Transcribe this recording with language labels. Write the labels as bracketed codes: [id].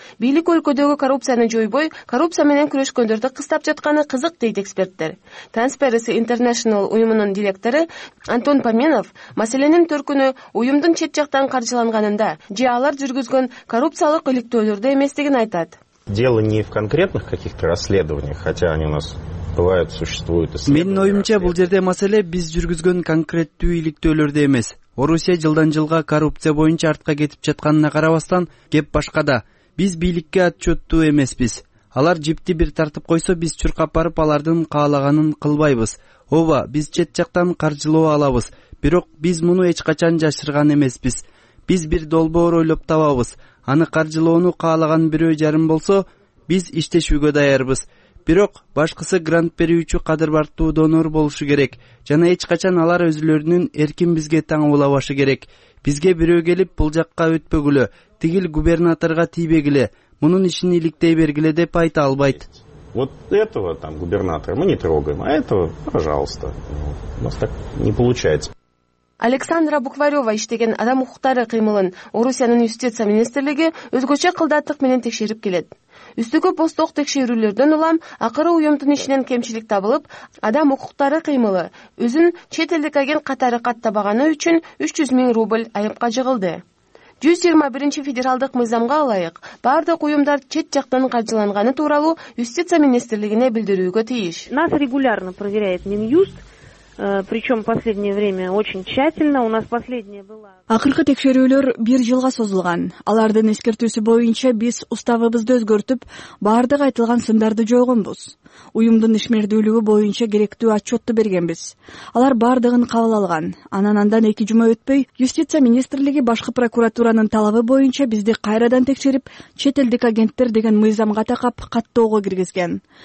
[ky] Бийлик өлкөдөгү коррупцияны жойбой, коррупция менен күрөшкөндөрдү кыстап жатканы кызык, дейт эксперттер. Transparency International уюмунун директору Антон Паменов маселенин төркүнү уюмдун чет жактан каржыланганында же алар жүргүзгөн коррупциялык иликтөөлөрдө эместигин айтат. [ru] Дело не в конкретных каких-то расследованиях, хотя они у нас бывают, существуют. [ky] Менин оюмча бул жерде маселе биз жүргүзгөн конкреттүү иликтөөлөрдө эмес. Орусия жылдан жылга коррупция боюнча артка кетип жатканына карабастан, кеп башкада. Биз бийликке отчеттүү эмеспиз. Алар жипти бир тартып койсо, биз чуркап барып алардын каалаганын кылбайбыз. Ооба, биз чет жактан каржылоо алабыз, бирок биз муну эч качан жашырган эмеспиз. Биз бир долбоор ойлоп табабыз. Аны каржылоону каалаган бирөө жарым болсо, биз иштешүүгө даярбыз. Бирок башкысы грант берүүчү кадырбартуу донор болушу керек жана эч качан алар өзүлөрүнүн эркин бизге таң улабашы керек. Бизге бирөө келип бул жакка өтпөгүлө, тигил губернаторго тийбегиле, мунун ишин иликтей бергиле деп айта албайт. [ru] Вот этого там губернатора мы не трогаем, а этого, пожалуйста. У нас так не получается. [ky] Александра Букварева иштеген адам укуктары кыймылын Орусиянын юстиция министрлиги өзгөчө кылдаттык менен текшерип келет. Үстүгү постук текшерүүлөрдөн улам акыры уюмдун ишинен кемчилик табылып, адам укуктары кыймылы өзүн чет элдик агент катары каттабаганы үчүн 300,000 рубль айыпка жыгылды. 121 федералдык мыйзамга ылайык бардык уюмдар чет жактан каржыланганы тууралуу юстиция министрлигине билдирүүгө тийиш. [ru] Нас регулярно проверяет Минюст. Причем последнее время очень тщательно. У нас последняя была. [ky] Акыркы текшерүүлөр бир жылга созулган. Алардын эскертүүсү боюнча биз уставыбызды өзгөртүп, бардык айтылган сындарды жойгонбуз. Уюмдун ишмердүүлүгү боюнча керектүү отчетту бергенбиз. Алар бардыгын кабыл алган. Анан андан 2 жума өтпөй, юстиция министрлиги башкы прокуратуранын талабы боюнча бизди кайрадан текшерип, чет элдик агенттер деген мыйзамга такап каттоого киргизген.